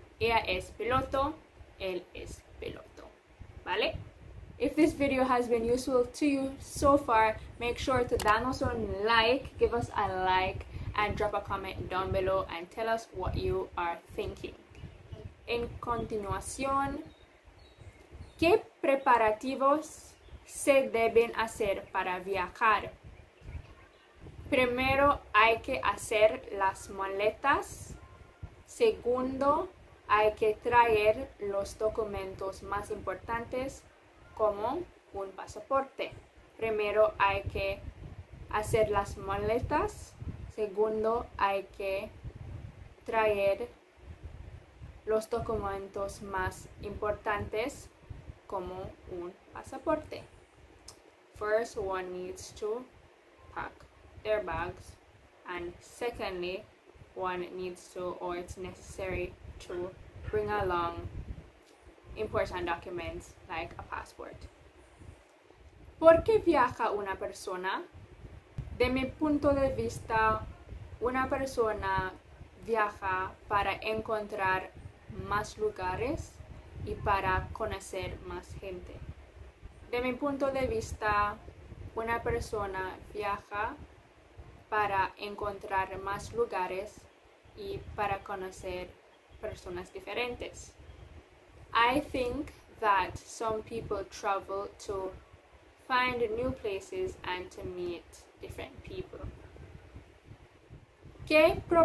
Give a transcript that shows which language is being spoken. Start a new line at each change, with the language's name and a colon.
Spanish: Ella es piloto, él es piloto. ¿Vale?
English: If this video has been useful to you so far, make sure to
Spanish: danos un like,
English: give us a like, and drop a comment down below and tell us what you are thinking.
Spanish: En continuación, ¿qué preparativos se deben hacer para viajar? Primero hay que hacer las maletas. Segundo, hay que traer los documentos más importantes, como un pasaporte. Primero hay que hacer las maletas. Segundo, hay que traer los documentos más importantes como un pasaporte.
English: First, one needs to pack their bags. And secondly, one needs to, or it's necessary to bring along important documents like a passport.
Spanish: ¿Por qué viaja una persona? De mi punto de vista, una persona viaja para encontrar más lugares y para conocer más gente. De mi punto de vista, una persona viaja para encontrar más lugares y para conocer personas diferentes.
English: I think that some people travel to find new places and to meet different people.
Spanish: ¿Qué